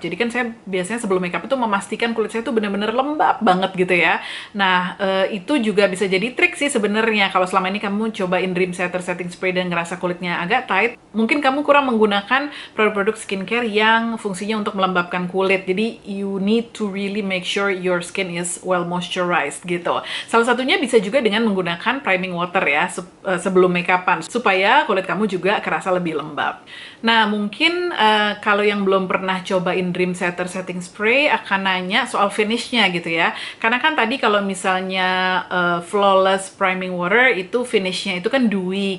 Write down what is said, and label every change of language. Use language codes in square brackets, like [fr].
[id] Jadi kan saya biasanya sebelum makeup itu memastikan kulit saya tuh benar-benar lembab banget gitu ya. Nah, itu juga bisa jadi trik sih sebenarnya. Kalau selama ini kamu cobain Dream Setter Setting Spray dan ngerasa kulitnya agak tight, mungkin kamu kurang menggunakan produk-produk skincare yang fungsinya untuk melembabkan kulit. [en] Jadi you need to really make sure your skin is well moisturized gitu. [id] Salah satunya bisa juga dengan menggunakan priming water ya sebelum makeupan, supaya kulit kamu juga kerasa lebih lembab. Nah, mungkin kalau yang belum pernah cobain Dream Setter Setting Spray akan nanya soal finishnya gitu ya. Karena kan tadi kalau misalnya Flawless Priming Water itu finishnya itu kan dewy.